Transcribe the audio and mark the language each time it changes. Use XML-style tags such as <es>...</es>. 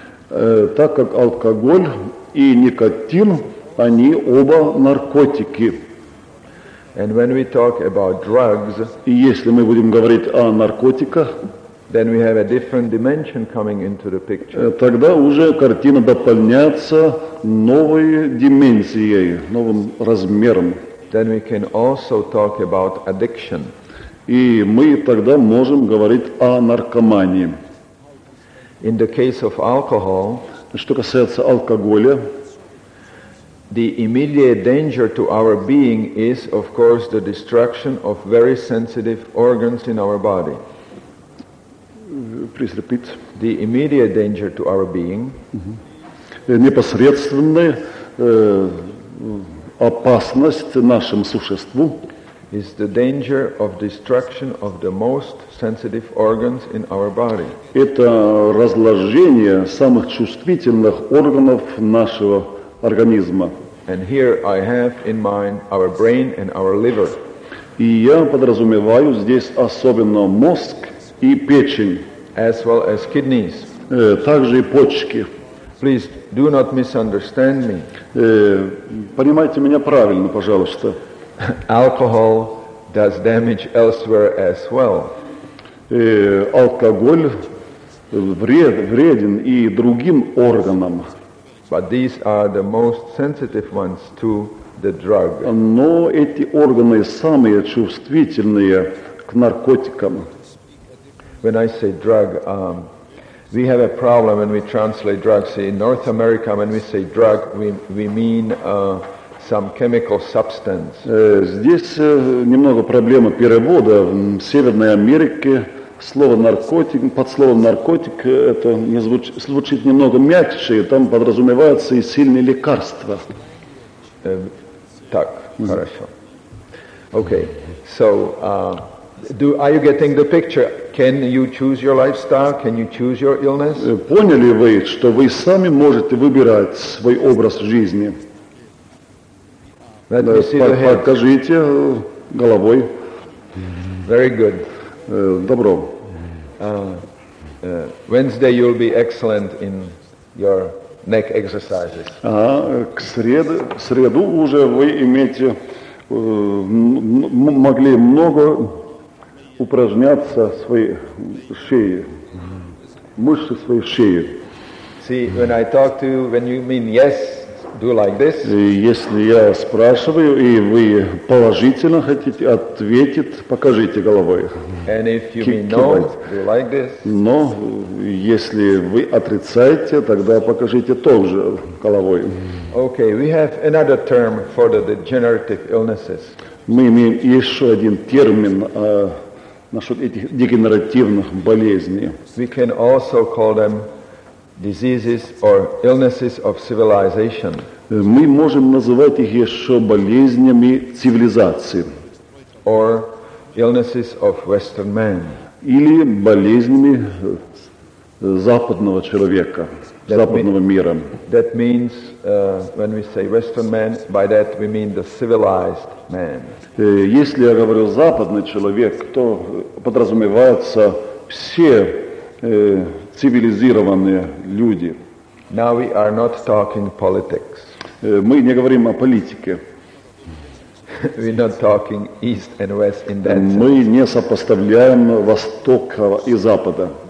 <ru>Так как алкоголь и никотин, они оба наркотики.</ru> <en>And when we talk about drugs,</en> <ru>и если мы будем говорить о наркотиках,</ru> <en>then we have a different dimension coming into the picture.</en> <ru>Тогда уже картина дополняется новой дименсией, новым размером.</ru> <en>Then we can also talk about addiction.</en> <ru>И мы тогда можем говорить о наркомании.</ru> <en>In the case of alcohol,</en> <ru>что касается алкоголя,</ru> <en>the immediate danger to our being is, of course, the destruction of very sensitive organs in our body. Please repeat. The immediate danger to our being.</en> <ru>Непосредственная опасность нашему существу.</ru> <en>Is the danger of destruction of the most sensitive organs in our body.</en> <ru>Это разложение самых чувствительных органов нашего организма.</ru> <en>And here I have in mind our brain and our liver.</en> <ru>И я подразумеваю здесь особенно мозг и печень,</ru> <en>as well as kidneys.</en> <ru>Также и почки.</ru> <en>Please do not misunderstand me.</en> <ru>Понимайте меня правильно, пожалуйста.</ru> <en>Alcohol does damage elsewhere as well.</en> <ru>Алкоголь вреден и другим органам.</ru> <en>But these are the most sensitive ones to the drug.</en> <ru>Но эти органы самые чувствительные к наркотикам.</ru> <en>When I say drug, we have a problem when we translate drugs. In North America, when we say drug, we mean some chemical substance.</en> <ru>Здесь немного проблема перевода. В Северной Америке слово наркотик, под словом наркотик, это не звучит немного мягче, там подразумеваются и сильные лекарства. Так, хорошо.</ru> <en>Okay, so... are you getting the picture? Can you choose your lifestyle? Can you choose your illness?</en> <ru>Поняли вы, что вы сами можете выбирать свой образ жизни?</ru> <en>Let me see the head.</en> <ru>Покажите головой.</ru> <en>Very good.</en> <ru>Добро.</ru> <en>Wednesday you'll be excellent in your neck exercises.</en> <ru>К среду уже вы имеете могли много упражняться своей шеей, мышцы своей шеи.</ru> <en>See, when I talk to you, when you mean yes, do like this.</en> <ru>Если я спрашиваю, и вы положительно хотите ответить, покажите головой.</ru> <en>And if you mean no, do like this.</en> <ru>Но если вы отрицаете, тогда покажите тоже головой.</ru> <en>Okay, we have another term for the degenerative illnesses.</en> <ru>Мы имеем еще один термин насчет этих дегенеративных болезней.</ru> <en>We can also call them diseases or illnesses of civilization.</en> <ru>Мы можем называть их еще болезнями цивилизации.</ru> <en>Or illnesses of Western man.</en> <ru>Или болезнями западного человека, западного мира.</ru> <en>That means, when we say Western man, by that we mean the civilized man.</en> <ru>Если я говорю западный человек, то подразумеваются все цивилизированные люди.</ru> <en>Now we are not talking politics.</en> <ru>Мы не говорим о политике.</ru> <en>We're not talking East and West in that sense.</en> <ru>Мы не сопоставляем Востока и Запада.</ru>